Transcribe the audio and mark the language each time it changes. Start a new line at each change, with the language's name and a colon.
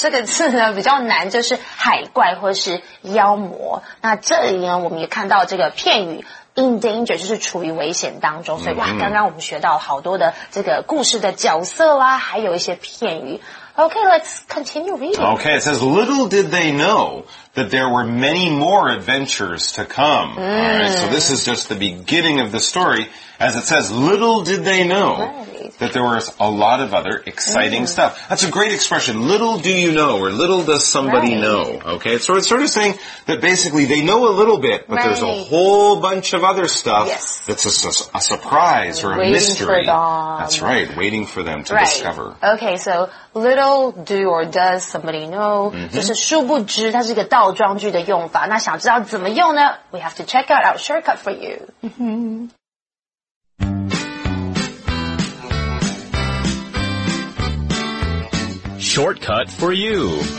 Chinese: 这个字呢比较难，就是海怪或是妖魔。那这里呢，我们也看到这个片语 in danger, 就是处于危险当中。所以哇，刚刚我们学到好多的这个故事的角色啦，还有一些片语。
English: Okay, let's continue reading. Okay, it says, little did they know that there were many more adventures to come. All right, so this is just the beginning of the story. As it says, little did they know that there was a lot of other exciting stuff. That's a great expression. Little do you know, or little does somebody know. Okay, so it's sort of saying that basically they know a little bit, but there's a whole bunch of other stuff that's a surprise or a mystery. That's right, waiting for them to discover. Okay, so little do or does somebody know.
Chinese: 就是殊不知它是一个倒装句的用法。那想知道怎么用呢?
English: We have to check out our shortcut for you. Shortcut for you.